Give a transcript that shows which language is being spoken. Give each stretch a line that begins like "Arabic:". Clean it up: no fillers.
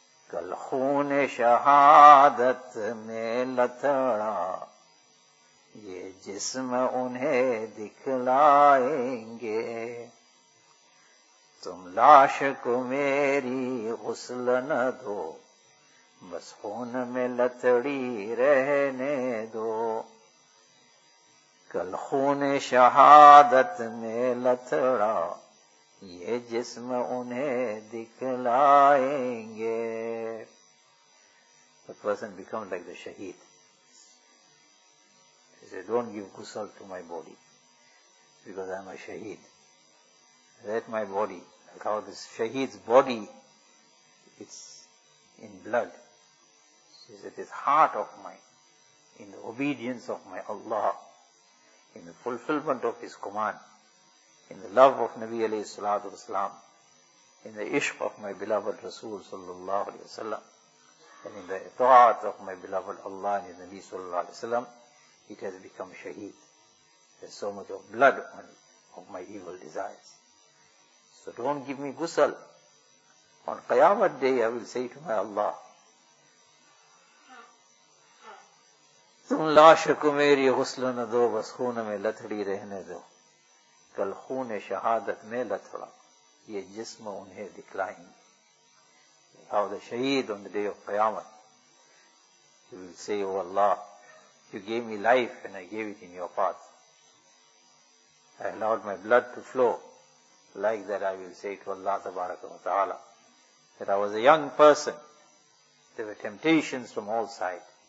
Urdu: کل خون شہادت میں لتڑا یہ جسم انہیں دکھلائیں گے, تم لاش کو میری غسل نہ دو بس خون میں لتڑی رہنے دو. کل خون شہادت میں لتڑا یہ جسم انہیں دکھلائیں گے.
English: The person become like the shaheed. He said, don't give ghusl to my body because I am a shaheed. Let my body, like how this shaheed's body, it's in blood. He said, this heart of mine, in the obedience of my Allah, in the fulfillment of His command, in the love of Nabi alayhi salatu wasalam, in the ishq of my beloved Rasul sallallahu alayhi wasallam, and in the ta'at of my beloved Allah and Nabi sallallahu alayhi wasallam, it has become shaheed. There's so much of blood on it, of my evil desires. So don't give me ghusl. On Qiyamah day, I will say to my Allah,
Urdu: تم لاش کو میری غسل نہ دو بس خون میں لتڑی رہنے دو, کل خون شہادت میں لتڑا یہ جسم انہیں دکھلائیں گے.
English: How the shaheed on the day of Qiyamah, he will say, oh Allah, you gave me life and I gave it in your path. I allowed my blood to flow. Like that I will say to Allah tabaraka wa ta'ala, that I was a young person, there were temptations from all sides.